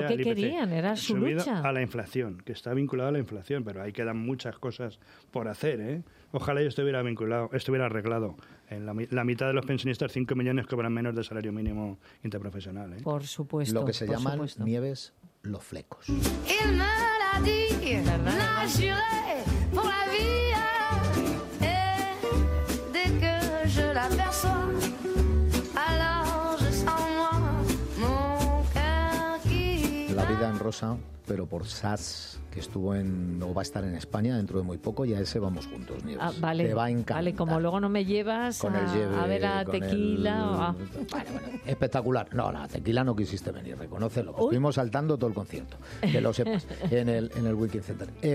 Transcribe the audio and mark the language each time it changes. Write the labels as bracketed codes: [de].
[es] al IPC. Es lo que querían, era su lucha. A la inflación, que está vinculado a la inflación, pero ahí quedan muchas cosas por hacer, ¿eh? Ojalá yo estuviera arreglado. En la mitad de los pensionistas, 5 millones cobran menos de salario mínimo interprofesional, ¿eh? Por supuesto. Lo que se llaman Nieves, los flecos. [fr] Il me l'a dit, l'a juré pour la vie. Et dès que je l'aperçois, alors je sens moi mon cœur qui. [es] La vida en rosa, pero por Sas, que estuvo en, o va a estar en España dentro de muy poco, y a ese vamos juntos, Nieves. Ah, vale. Te va a encantar. Vale, como luego no me llevas a ver a Tequila. Espectacular. No, la Tequila no quisiste venir, reconócelo. Estuvimos saltando todo el concierto, que lo sepas, en el Wicked Center.